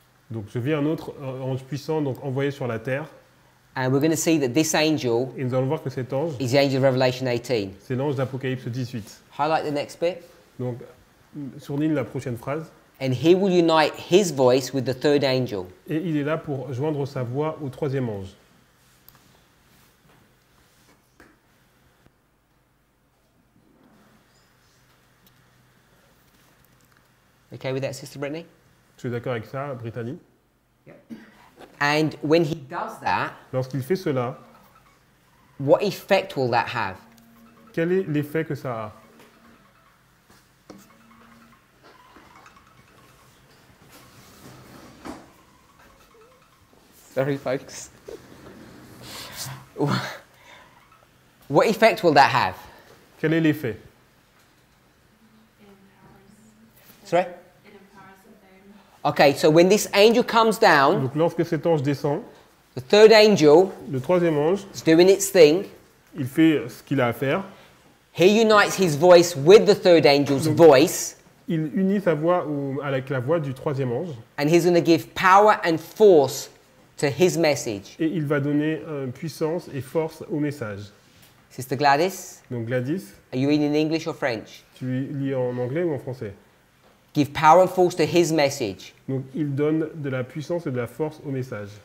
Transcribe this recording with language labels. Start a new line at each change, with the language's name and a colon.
French: Donc je vis un autre ange puissant donc envoyé sur la terre.
English: And we're going to see that this angel.
French: Et nous allons voir que cet ange.
English: Is the angel of Revelation 18.
French: C'est l'ange d'Apocalypse 18.
English: Highlight the next bit.
French: Donc, souligne la prochaine phrase.
English: And he will unite his voice with the third angel.
French: Et il est là pour joindre sa voix au troisième ange.
English: Okay with that, Sister Brittany?
French: Tu es d'accord avec ça, Brittany?
English: Yeah. And when he does that,
French: lorsqu'il fait cela,
English: what effect will that have?
French: Quel est l'effet que ça a?
English: Sorry, folks. What effect will that have?
French: Quel est l'effet?
English: Sorry? Okay, so when this angel comes down,
French: donc lorsque cet ange descend,
English: the third angel,
French: le troisième ange,
English: is doing its thing,
French: il fait ce qu'il a à faire.
English: He unites his voice with the third angel's donc, voice.
French: Il unit sa voix au, avec la voix du troisième ange.
English: And he's going to give power and force to his message.
French: Et il va donner puissance et force au message.
English: Sister Gladys.
French: Donc Gladys.
English: Are you reading in English or French?
French: Tu lis en anglais ou en français?
English: Give power and force to his message.
French: Donc il donne de la puissance et de la force au message.